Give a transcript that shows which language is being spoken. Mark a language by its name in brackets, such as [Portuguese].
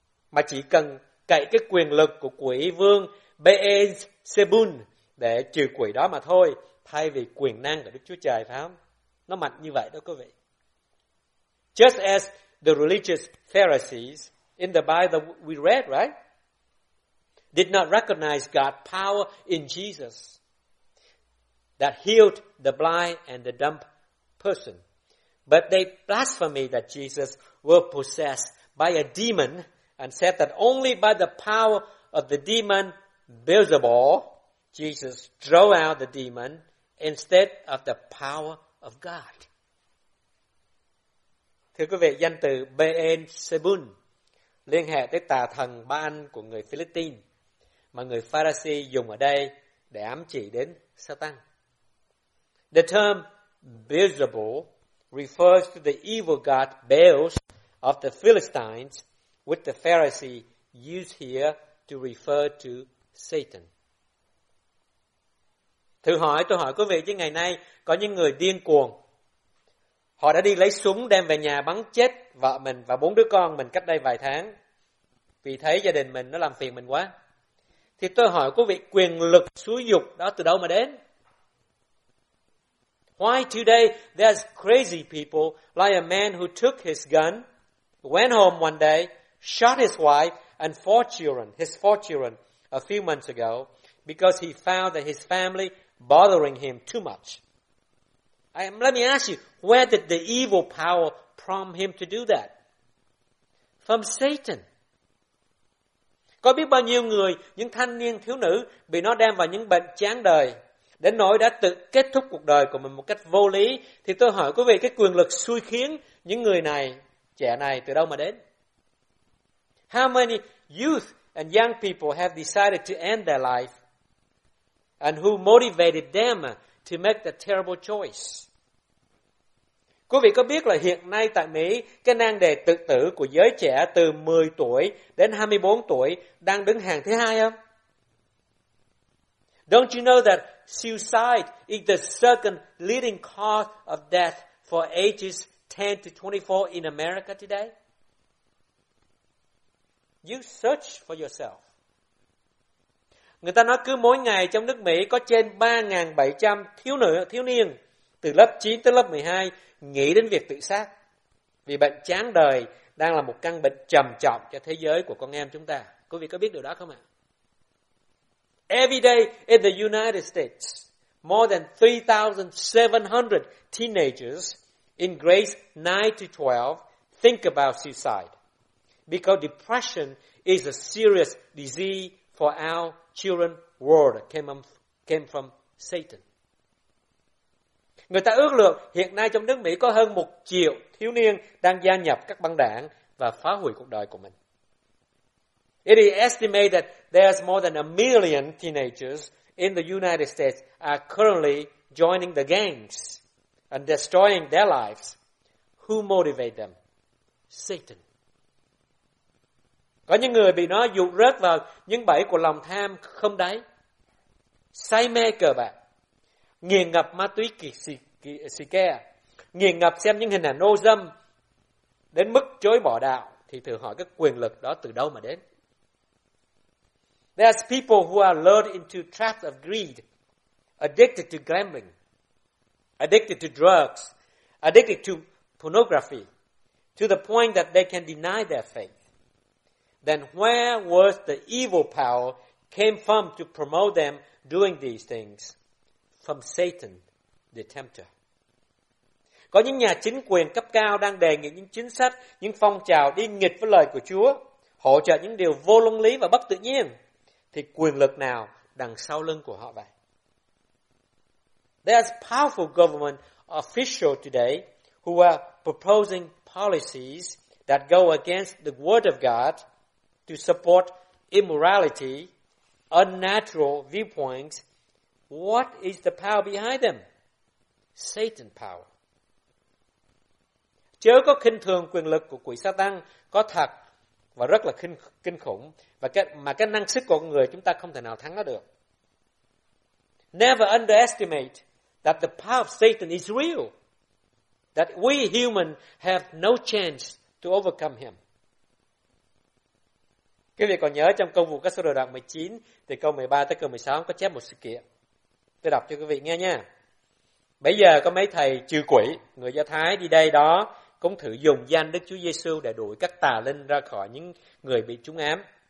[Vietnamese] Mà chỉ cần cậy cái quyền lực của quỷ vương Beelzebul để trừ quỷ đó mà thôi, thay vì quyền năng của Đức Chúa Trời, phải không? Nó mạnh như vậy đó quý vị. [English] Just as the religious Pharisees in the Bible we read, right, did not recognize God's power in Jesus that healed the blind and the dumb person, but they blasphemed that Jesus was possessed by a demon and said that only by the power of the demon Beelzebul, Jesus drove out the demon instead of the power of God. [Vietnamese] Thưa quý vị, danh từ Beelzebul liên hệ tới tà thần ba anh của người Philippines mà người Pharisee dùng ở đây để ám chỉ đến Satan. [English] The term Beelzebul refers to the evil god Baals of the Philistines, with the Pharisee used here to refer to Satan. [Vietnamese] Thử hỏi, tôi hỏi quý vị chứ ngày nay có những người điên cuồng, họ đã đi lấy súng đem về nhà bắn chết vợ mình và bốn đứa con mình cách đây vài tháng. vì thấy gia đình mình nó làm phiền mình quá. Thì tôi hỏi quý vị, quyền lực xúi dục đó từ đâu mà đến? [English] Why today there's crazy people like a man who took his gun, went home one day, shot his wife and four children a few months ago because he found that his family bothering him too much. Let me ask you, where did the evil power prompt him to do that? From Satan. [Vietnamese] Có biết bao nhiêu người, những thanh niên thiếu nữ bị nó đem vào những bệnh chán đời đến nỗi đã tự kết thúc cuộc đời của mình một cách vô lý? Thì tôi hỏi quý vị, cái quyền lực xui khiến những người này, trẻ này từ đâu mà đến? [English] How many youth and young people have decided to end their life and who motivated them to make the terrible choice? [Vietnamese] Quý vị có biết là hiện nay tại Mỹ, cái nan đề tự tử của giới trẻ từ 10 tuổi đến 24 tuổi đang đứng hàng thứ hai không? [English] Don't you know that suicide is the second leading cause of death for ages 10 to 24 in America today? You search for yourself. [Vietnamese] Người ta nói cứ mỗi ngày trong nước Mỹ có trên 3.700 thiếu niên từ lớp 9 tới lớp 12 nghĩ đến việc tự sát vì bệnh chán đời đang là một căn bệnh trầm trọng cho thế giới của con em chúng ta. Quý vị có biết điều đó không ạ? [English] Every day in the United States, more than 3,700 teenagers in grades 9 to 12 think about suicide because depression is a serious disease for our children world came from Satan. [Vietnamese] Người ta ước lượng hiện nay trong nước Mỹ có hơn 1 triệu thiếu niên đang gia nhập các băng đảng và phá hủy cuộc đời của mình. [English] It is estimated that there's more than 1 million teenagers in the United States are currently joining the gangs and destroying their lives. Who motivate them? Satan. [Vietnamese] Có những người bị nó dụ rớt vào những bẫy của lòng tham không đáy, say mê cờ bạc, nghiện ngập ma túy xì ke, nghiện ngập xem những hình ảnh ô dâm đến mức chối bỏ đạo. Thì thử hỏi cái quyền lực đó từ đâu mà đến? [English] There's people who are lured into traps of greed, addicted to gambling, addicted to drugs, addicted to pornography, to the point that they can deny their faith. Then where was the evil power came from to promote them doing these things? From Satan, the tempter. [Vietnamese] Có những nhà chính quyền cấp cao đang đề nghị những chính sách, những phong trào đi nghịch với lời của Chúa, hỗ trợ những điều vô luân lý và bất tự nhiên. Thì quyền lực nào đằng sau lưng của họ vậy? [English] There's powerful government officials today who are proposing policies that go against the word of God to support immorality, unnatural viewpoints. What is the power behind them? Satan power. [Vietnamese] Chớ có khinh thường quyền lực của quỷ Satan, có thật và rất là kinh khủng, mà cái năng sức của con người chúng ta không thể nào thắng nó được. [English] Never underestimate that the power of Satan is real, that we human have no chance to overcome him. [Vietnamese] Quý vị còn nhớ trong Công vụ các sứ đồ đoạn 19, từ câu 13 tới câu 16 có chép một sự kiện. Tôi đọc cho quý vị nghe nha. Bây giờ có mấy thầy trừ quỷ, người Do Thái đi đây đó, cũng thử dùng danh Đức Chúa Giê-xu để đuổi các tà linh ra khỏi những người bị trúng ám.